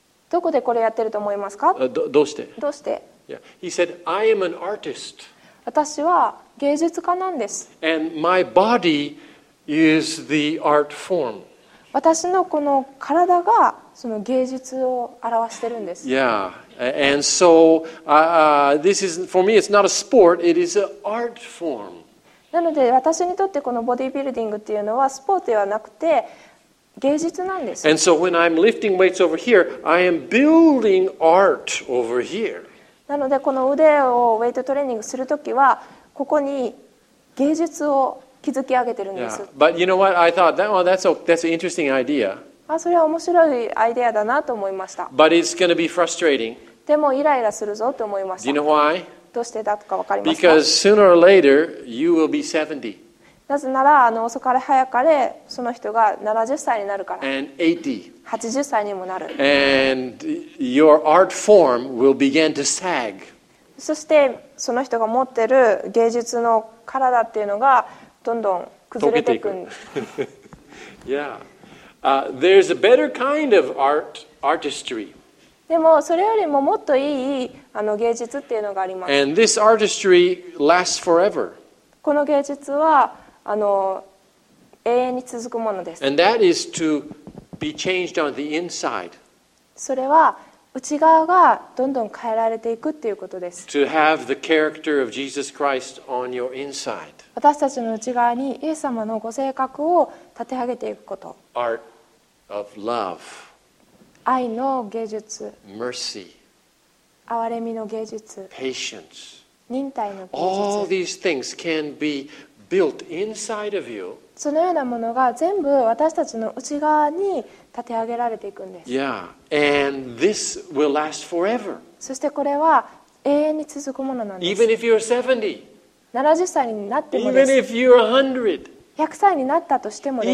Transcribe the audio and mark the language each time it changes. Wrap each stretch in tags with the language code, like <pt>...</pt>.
<ja>どこでこれやってると思いますか？どうして？どうして</ja> <en>？Yeah. He said, "I am an artist."</en> <ja>私は芸術家なんです。</ja> <en>And my body is the art form.</en> <ja>私のこの体がその芸術を表してるんです。</ja> <en>Yeah. And so, this is for me. It's not a sport. It is an art form.</en> <ja>なので私にとってこのボディービルディングっていうのはスポーツではなくて芸術なんです。</ja> <en>And so when I'm lifting weights over here, I am building art over here.</en> <ja>なのでこの腕をウェイトトレーニングするときはここに芸術を築き上げてるんです。</ja> <en>Yeah. But you know what? I thought that, well, that's an interesting idea.</en> <ja>あ、それは面白いアイデアだなと思いました。</ja> <en>But it's going to be frustrating.</en> <ja>でもイライラするぞと思いました。</ja> <en>Do you know why?</en> <ja>どうしてだとか分かりますか?</ja> <en>Because sooner or later, you will be 70.</en> <ja>なぜなら、遅かれ早かれ、その人が70歳になるから。</ja> <en>And 80.</en> <ja>80歳にもなる。</ja> <en>And your art form will begin to sag.</en> <ja>そしてその人が持ってる芸術の体っていうのがどんどん崩れていく。</ja> <en>yeah. There's a better kind of artistry.</en> <ja>でもそれよりももっといい芸術っていうのがあります。</ja> <en>And this artistry lasts forever.</en> <ja>この芸術は永遠に続くものです。</ja> <en>And that is to be changed on the inside.</en> <ja>それは内側がどんどん変えられていくっていうことです。</ja> <en>To have the character of Jesus Christ on your inside.</en> <ja>私たちの内側にイエス様のご性格を立て上げていくこと。</ja> <en>Art of love.</en> <ja>愛の芸術。</ja> <en>Mercy.</en> <ja>憐れみの芸術。</ja> <en>Patience.</en> <ja>忍耐の芸術。</ja> <en>All these things can be built inside of you.</en> <ja>そのようなものが全部私たちの内側に立て上げられていくんです。</ja> <en>Yeah. And this will last forever.</en> <ja>そしてこれは永遠に続くものなんです。</ja> <en>Even if you're 70.</en> <ja>70歳になってもです。</ja> <en>Even if you're 100.</en> <ja>100歳になったとしてもです。</ja>